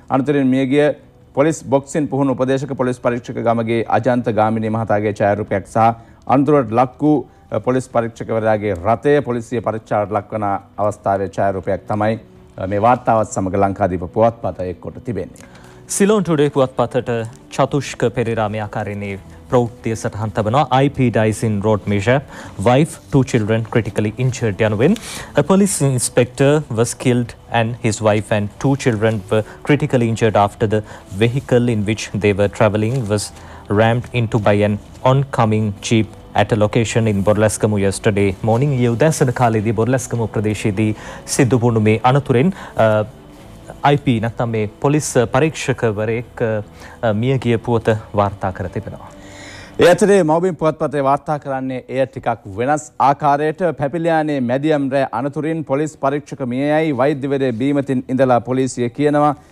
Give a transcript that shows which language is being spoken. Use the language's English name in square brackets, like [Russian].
[Sinhala] අනතුරින් මියගිය police boxing පුහුණු උපදේශක පොලිස් පරීක්ෂක ගමගේ අජන්ත ගාමිණී මහතාගේ ඡායාරූපයක් සහ අනතුරට ලක් වූ පොලිස් පරීක්ෂකවරයාගේ රථය පොලිසිය පරීක්ෂාවට ලක්වන අවස්ථාවේ ඡායාරූපයක් තමයි මේ වාර්තාවත් සමග ලංකාදීප පුවත්පත එක්කොට තිබෙන්නේ. සිලෝන් ටුඩේ පුවත්පතට චතුෂ්ක පෙරේරා මේ ආකාරයෙන් ප්‍රවෘත්තිය සටහන් තබනවා. [English] IP dies in road measure, wife, 2 children critically injured [Sinhala] යනුවෙන් [English] a police inspector was killed and his wife and 2 children were critically injured after the vehicle in which they were travelling was rammed into by an oncoming jeep at a location in Borlaskamu yesterday morning. [Sinhala] ඒ උදෑසන කාලයේදී බොරලස්කමු ප්‍රදේශයේදී සිදු වුණු මේ අනතුරෙන් IP නැත්නම් මේ police පරීක්ෂකවරයෙක් මිය ගිය පුවත වාර්තා කර තිබෙනවා. ඒ අතරේ මෞබින් පුවත්පතේ වාර්තා කරන්නේ එය ටිකක් වෙනස් ආකාරයට. පැපිලියානේ මැදියම් රෑ අනතුරින් පොලිස් පරීක්ෂක මියයයි වෛද්‍යවරයෙ බීමතින් ඉඳලා පොලිසිය කියනවා.